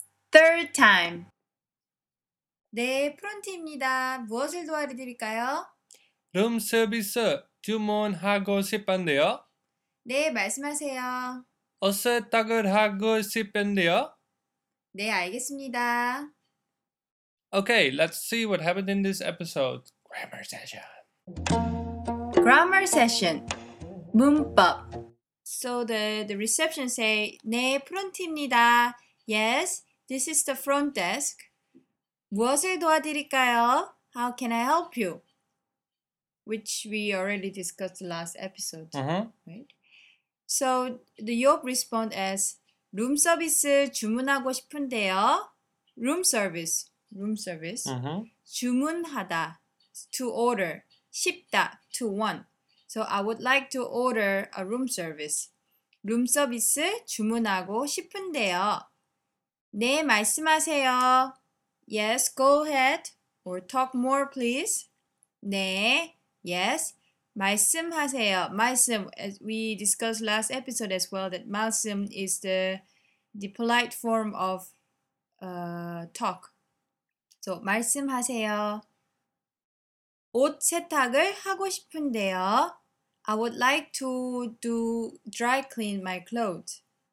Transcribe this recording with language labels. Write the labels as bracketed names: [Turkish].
[English] Third time. [Korean] 네, 프론트입니다. 무엇을 도와드릴까요? 룸 서비스 주문하고 싶은데요. 네, 말씀하세요. 어세탁을 하고 싶은데요. 네, 알겠습니다. [English] Okay, let's see what happened in this episode. Grammar session. Grammar session. [Korean] 문법. [English] So the reception say, [Korean] 네, 프론트입니다. [English] Yes, this is the front desk. [Korean] 무엇을 도와드릴까요? [English] How can I help you? Which we already discussed last episode. Uh-huh. Right? So the Yop respond as, [Korean] 룸 서비스 주문하고 싶은데요. [English] Room service. Uh-huh. [Korean] 주문하다. [English] To order. [Korean] 싶다. [English] To want. So I would like to order a room service. [Korean] 룸 서비스 주문하고 싶은데요. 네, 말씀하세요. [English] Yes, go ahead. Or talk more, please. [Korean] 네, yes. 말씀하세요. 말씀, [English] as we discussed last episode as well, that 말씀 is the polite form of talk. [Korean] So 말씀하세요. 옷 세탁을 하고 싶은데요. [English] I would like to do dry clean my clothes.